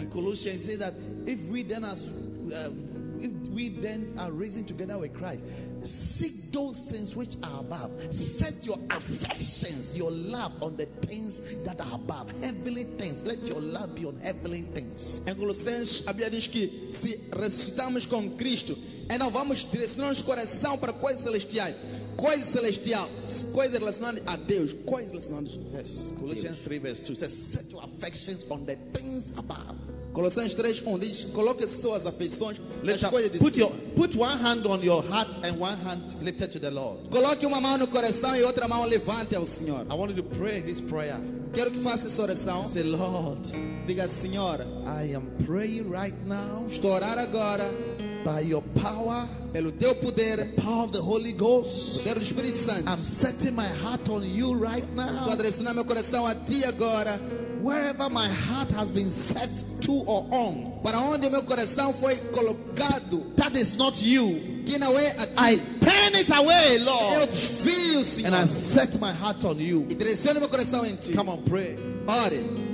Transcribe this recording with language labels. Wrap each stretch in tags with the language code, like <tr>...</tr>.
<en>In Colossians says that if we then are risen together with Christ, seek those things which are above. Set your affections, your love on the things that are above. Heavenly things. Let your love be on heavenly things.</en> <pt>Em Colossians, a Bíblia diz que se ressuscitamos com Cristo, e não vamos direcionar nosso coração para coisas celestiais. Coisas celestiais. Coisas relacionadas a Deus. Coisas relacionadas a Deus.</pt> <en>Yes. Colossians 3, verse 2 says, set your affections on the things above.</en> <pt>Colossians 3, 1 diz, coloque suas afeições nas coisas de cima.</pt> <en>Put one hand on your heart and one hand lifted to the Lord.</en> <pt>Coloque uma mão no coração e outra mão levante ao Senhor.</pt> <en>I want you to pray this prayer.</en> <pt>Quero que faça essa oração.</pt> <en>Say, Lord.</en> <pt>Diga, Senhor.</pt> <en>I am praying right now.</en> <pt>Estou a orar agora.</pt> <en>By your power,</en> <pt>pelo teu poder,</pt> <en>the power of the Holy Ghost,</en> <pt>poder do Espírito Santo,</pt> <en>I'm setting my heart on you right now.</en> <pt>Estou a direcionar meu coração a ti agora.</pt> <en>Wherever my heart has been set to or on,</en> <pt>para onde meu coração foi colocado,</pt> <en>that is not you.</en> <pt>Que não é a ti.</pt> <en>I turn it away, Lord.</en> <pt>Eu desvio, Senhor.</pt> <en>And I set my heart on you.</en> <pt>E direciono meu coração em ti.</pt> <en>Come on, pray.</en> <pt>Ore.</pt>